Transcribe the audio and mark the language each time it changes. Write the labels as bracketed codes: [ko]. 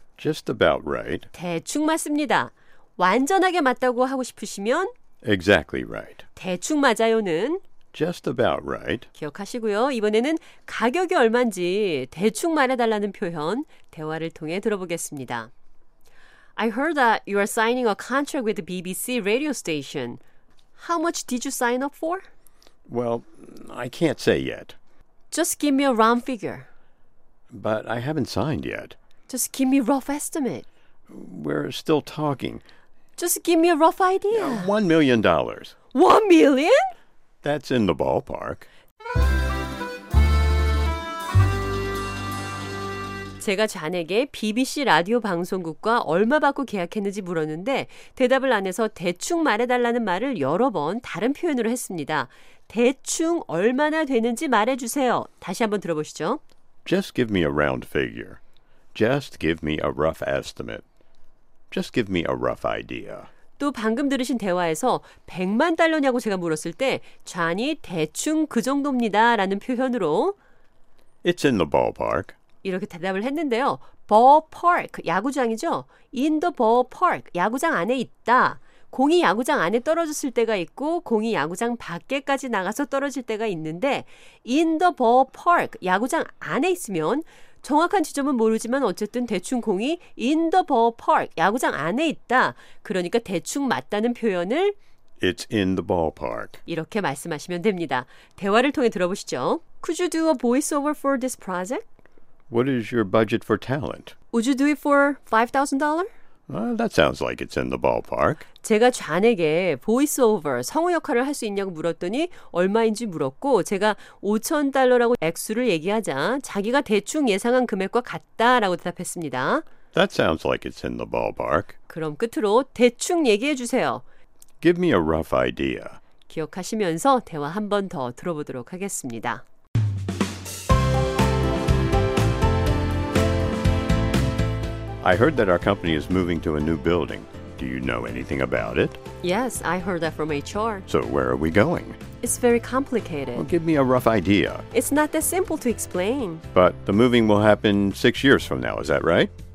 [en] Just about right. [ko] 대충 맞습니다. 완전하게 맞다고 하고 싶으시면 [en] Exactly right. [ko] 대충 맞아요는 [en] Just about right. [ko] 기억하시고요. 이번에는 가격이 얼마인지 대충 말해달라는 표현 대화를 통해 들어보겠습니다. [en] I heard that you are signing a contract with the BBC radio station. How much did you sign up for? Well, I can't say yet. Just give me a round figure. But I haven't signed yet. Just give me a rough estimate. We're still talking. Just give me a rough idea. $1 million. $1 million? That's in the ballpark. [ko] 제가 잔에게 BBC 라디오 방송국과 얼마 받고 계약했는지 물었는데 대답을 안 해서 대충 말해달라는 말을 여러 번 다른 표현으로 했습니다. 대충 얼마나 되는지 말해주세요. 다시 한번 들어보시죠. [en] Just give me a round figure. Just give me a rough estimate. Just give me a rough idea. [ko] 또 방금 들으신 대화에서 100만 달러냐고 제가 물었을 때 잔이 대충 그 정도입니다 라는 표현으로 [en] It's in the ballpark. [ko] 이렇게 대답을 했는데요. Ballpark, 야구장이죠. [en] In the ballpark, [ko] 야구장 안에 있다. 공이 야구장 안에 떨어졌을 때가 있고 공이 야구장 밖에까지 나가서 떨어질 때가 있는데 In the ballpark, 야구장 안에 있으면 정확한 지점은 모르지만 어쨌든 대충 공이 In the ballpark, 야구장 안에 있다. 그러니까 대충 맞다는 표현을 It's in the ballpark. 이렇게 말씀하시면 됩니다. 대화를 통해 들어보시죠. [en] Could you do a voiceover for this project? What is your budget for talent? Would you do it for $5,000? That sounds like it's in the ballpark. [ko] 제가 존에게 voiceover, 성우 역할을 할 수 있냐고 물었더니 얼마인지 물었고 제가 $5,000라고 액수를 얘기하자 자기가 대충 예상한 금액과 같다라고 대답했습니다. [en] That sounds like it's in the ballpark. [ko] 그럼 끝으로 대충 얘기해 주세요. [en] Give me a rough idea. [ko] 기억하시면서 대화 한 번 더 들어보도록 하겠습니다. [en] I heard that our company is moving to a new building. Do you know anything about it? Yes, I heard that from HR. So where are we going? It's very complicated. Well, give me a rough idea. It's not that simple to explain. But the moving will happen 6 years from now, is that right?